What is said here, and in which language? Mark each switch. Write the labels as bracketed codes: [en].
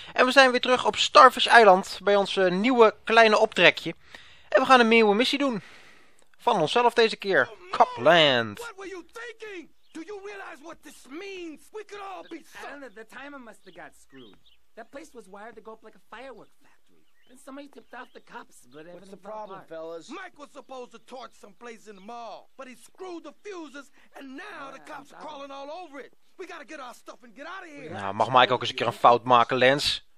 [nl] En we zijn weer terug op Starfish Island bij ons nieuwe kleine optrekje. En we gaan een nieuwe missie doen. Van onszelf deze keer. Copland. [en] What were you thinking? Do you realize what this means? We could all be so... I don't know, the timer must have got screwed. That place was wired to go up like a firework factory. And somebody tipped off the cops, but what's the problem, fellas? Mike was supposed to torch someplace in the mall, but he screwed the fuses and now the cops are crawling all over it. We gotta get our stuff and get out of here. [nl] Nou, mag Mike ook eens een keer een fout maken, Lens?